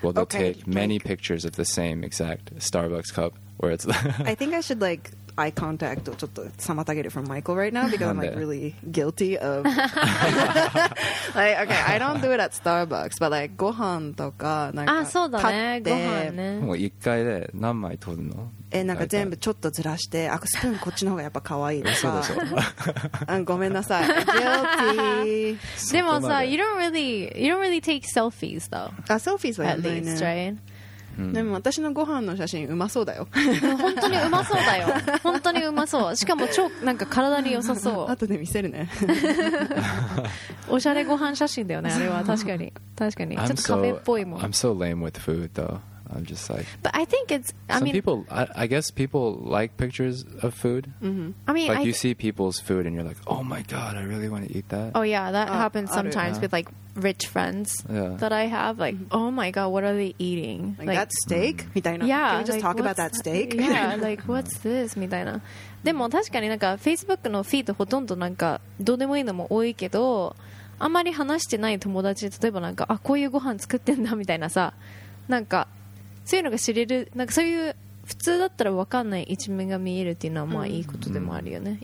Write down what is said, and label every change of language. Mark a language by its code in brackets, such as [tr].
[en] Well, they'll okay, take many like, pictures of the same exact Starbucks cup. Where it's I think I should like eye contact or just sabotage it from Michael right now because I'm like really guilty of like okay I don't do it at Starbucks but like gohan toka [ja] nanka tatte mo ikkai de nanmai toru no え、なんか全部ちょっとずらして、あ、スプーンこっちの方がやっぱ可愛いとか。あ、ごめんなさい。Guilty。 [en] でもさ、 you don't really take selfies though。 [ja] あ、selfies はやんないね。 [en] At least, right? [ja] でも私のご飯の写真うまそうだよ本当にうまそうだよ本当にうまそうしかも超なんか体に良さそう後で見せるねおしゃれご飯写真だよねあれは確かに、 [en] I'm、 [ja] ちょっとカフェっぽいもん [en] I'm so lame with food though I'm just like But I think it's I guess people like pictures of food、 mm-hmm. I mean Like you see people's food and you're like Oh my god I really want to eat that Oh yeah that happens sometimes with likeRich friends yeah. that I have, like,、mm-hmm. oh my god, what are they eating? Like that steak? Mitaina. Yeah. Can we just like, talk about that steak? Yeah, like, what's this? Mitaina. [ja] でも確かになんか Facebook のフィードほとんどなんかどうでもいいのも多いけど、あまり話してない友達、例えばなんか、あ、こういうご飯作ってんだみたいなさ、なんか、そういうのが知れる、なんかそういう普通だったら分かんない一面が見えるっていうのはまあいいことでもあるよね。